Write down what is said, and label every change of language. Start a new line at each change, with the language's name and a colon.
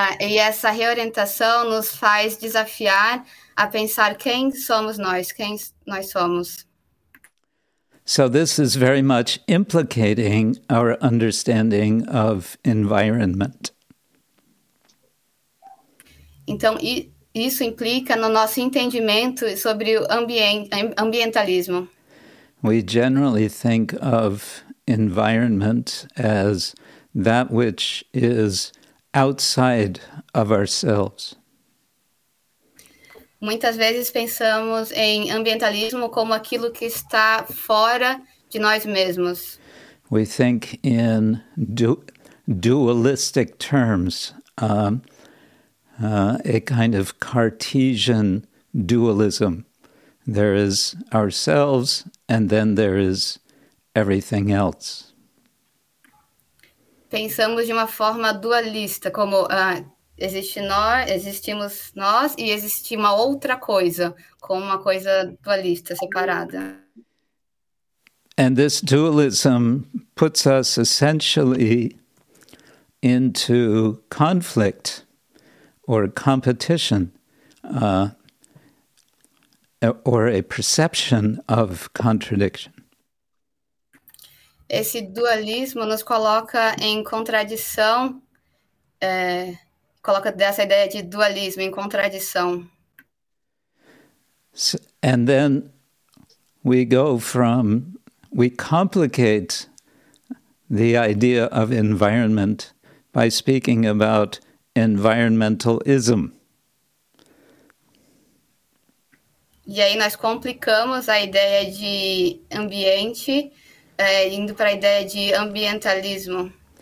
Portuguese: E essa reorientação nos faz desafiar a pensar quem somos nós, quem nós somos.
English: So this is very much implicating our understanding of environment.
Portuguese: Então, isso implica no nosso entendimento sobre o ambientalismo.
English: We generally think of environment as that which is outside of ourselves.
Portuguese: Muitas vezes pensamos em ambientalismo como aquilo que está fora de nós mesmos.
English: We think in dualistic terms, a kind of Cartesian dualism. There is ourselves, and then there is everything else.
Portuguese: Pensamos de uma forma dualista, como existe nós, existimos nós, e existe uma outra coisa, como uma coisa dualista, separada.
English: And this dualism puts us essentially into conflict or competition, or a perception of contradiction.
Portuguese: Esse dualismo nos coloca em contradição, coloca dessa ideia de dualismo em contradição.
English: So, and then we complicate the idea of environment by speaking about environmentalism.
Portuguese: E aí nós complicamos a ideia de ambiente, indo para a ideia de ambientalismo.